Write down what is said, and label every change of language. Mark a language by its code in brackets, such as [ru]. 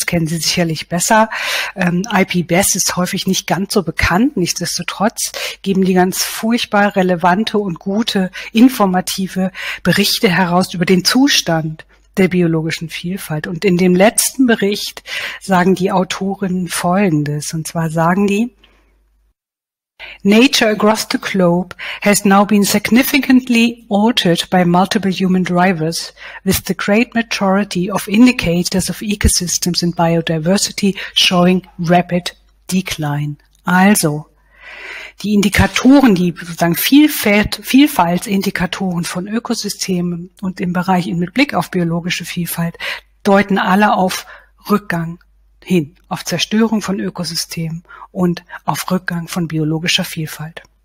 [de] Das kennen Sie sicherlich besser. IPBES ist häufig nicht ganz so bekannt. Nichtsdestotrotz geben die ganz furchtbar relevante und gute informative Berichte heraus über den Zustand der biologischen Vielfalt. Und in dem letzten Bericht sagen die Autorinnen Folgendes. Und zwar sagen die: [en] Nature across the globe has now been significantly altered by multiple human drivers, with the great majority of indicators of ecosystems and biodiversity showing rapid decline. [de] Also, die Indikatoren, die sozusagen Vielfaltsindikatoren von Ökosystemen und im Bereich mit Blick auf biologische Vielfalt, deuten alle auf Rückgang hin, auf Zerstörung von Ökosystemen und auf Rückgang von biologischer Vielfalt.